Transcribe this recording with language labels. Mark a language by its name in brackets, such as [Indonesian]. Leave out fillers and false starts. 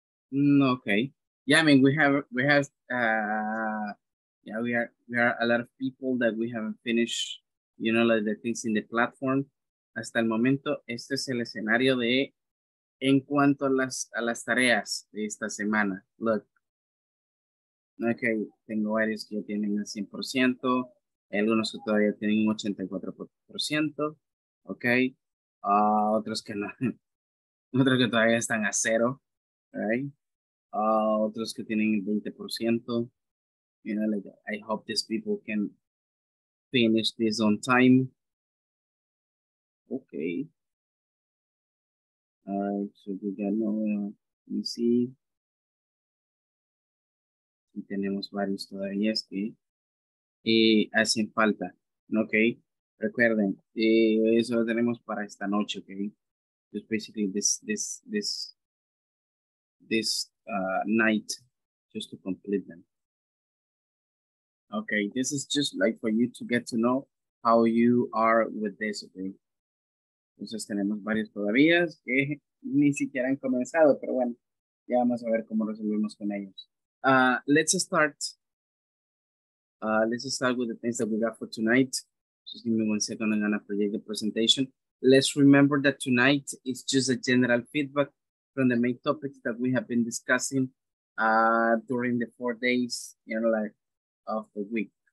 [English] Okay. Yeah, I mean, yeah, we are a lot of people that we haven't finished, you know, like the things in the platform. [Spanish] Hasta el momento, este es el escenario de en cuanto a las tareas de esta semana. [English] Look. [Spanish] Okay, tengo varios que ya tienen el 100%. Hay algunos que todavía tienen un 84%. Okay. Otros que no. Otros que todavía están a cero. Right. Otros que tienen el 20%. [English] You know, like, I hope these people can finish this on time. Okay. All right, so we got no, let me see. [Spanish] Y tenemos varios todavía que hacen falta. Okay, recuerden, eso lo tenemos para esta noche, okay? [English] Just basically this night, just to complete them. Okay, this is just like for you to get to know how you are with this, okay? [Spanish] Entonces tenemos varios todavía que ni siquiera han comenzado, pero bueno, ya vamos a ver cómo resolvemos con ellos. [English] Let's start with the things that we got for tonight. Just give me 1 second, I'm gonna project the presentation. Let's remember that tonight is just a general feedback from the main topics that we have been discussing during the 4 days, you know, like, of the week.